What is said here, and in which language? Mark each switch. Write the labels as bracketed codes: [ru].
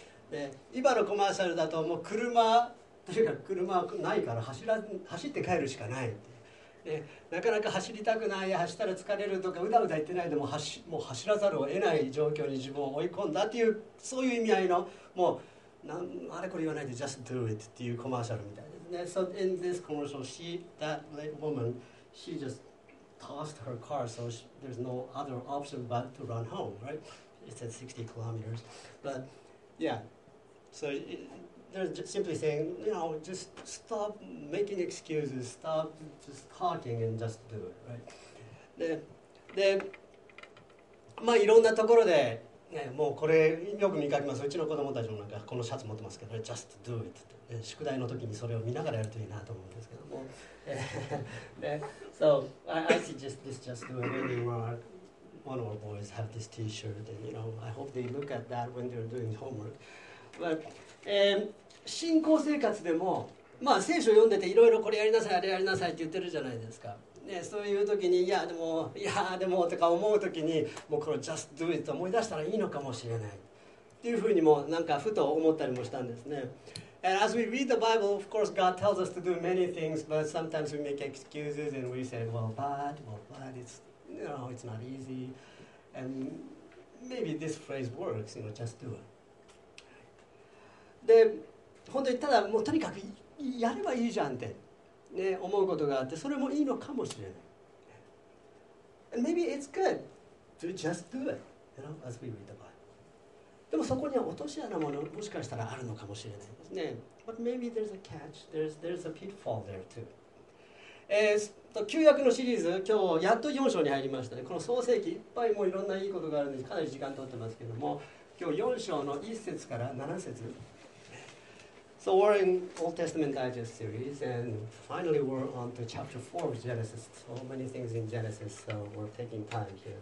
[ja] で今のコマーシャルだともう車というか車ないから走って帰るしかないで。なかなか走りたくない、走ったら疲れるとかうだうだ言ってないでも もう走らざるを得ない状況に自分を追い込んだっていうそういう意味合いのもうなんあれこれ言わないで Just Do It っていうコマーシャルみたいですね。 [en] So in this commercial, she, that late woman, she just tossed her car, so she, there's no other option but to run home, right? It said 60 kilometers. But yeah, so they're just simply saying, you know, just stop making excuses, stop just talking and just do it, right? [ja] で、まあいろんなところでね、もうこれよく見かけます。うちの子供たちもなんかこのシャツ持ってますけど、Just Do It って、ね、宿題の時にそれを見ながらやるといいなと思うんですけども。 [en] ね、so I suggest this Just Do It. Maybe one of our boys have this T-shirt, and you know, I hope they look at that when they're doing homework. [ja] But 信仰生活でも、まあ聖書読んでていろいろこれやりなさい、あれやりなさいって言ってるじゃないですか。ね、そういう時にいやでもいやでもとか思う時にもうこの Just Do It と思い出したらいいのかもしれないっていうふうにもなんかふと思ったりもしたんですね。 [en] And as we read the Bible, of course God tells us to do many things, but sometimes we make excuses and we say, well, but it's, you know, it's not easy, and maybe this phrase works, you know, just do it. [ja] で本当にただもうとにかくやればいいじゃんってね、思うことがあって、それもいいのかもしれない。 [en] And、maybe it's good to just do it, you know, as we read the Bible. [ja] でもそこには落とし穴ももしかしたらあるのかもしれないですね。 [en] But maybe there's a catch, there's a pitfall there too. [ja] 旧約のシリーズ、今日やっと4章に入りましたね。この創世記、いっぱいもういろんないいことがあるんです。かなり時間取ってますけども、今日4章の1節から7節。 [en] So we're in Old Testament Digest series, and finally we're on to chapter 4 of Genesis. So many things in Genesis, so we're taking time here.